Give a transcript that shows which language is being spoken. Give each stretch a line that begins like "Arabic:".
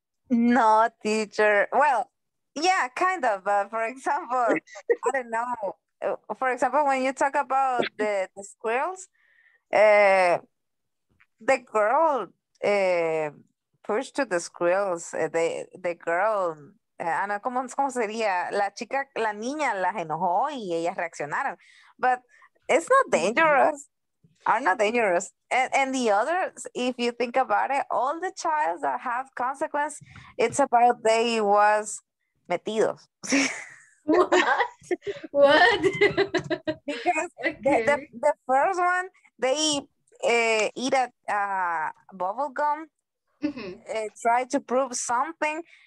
English: No, teacher. Well, yeah, kind of. But for example, I don't know. For example, when you talk about the squirrels, the girl pushed to the squirrels.
Spanish: The girl. Ana, ¿cómo sería? La chica, la niña las enojó y ellas reaccionaron.
English: But it's not dangerous. Are not dangerous. And the others, if you think about it, all the child that have consequence, it's about they was metidos. What? Because okay. The first one, they eat a bubble gum, try to prove something.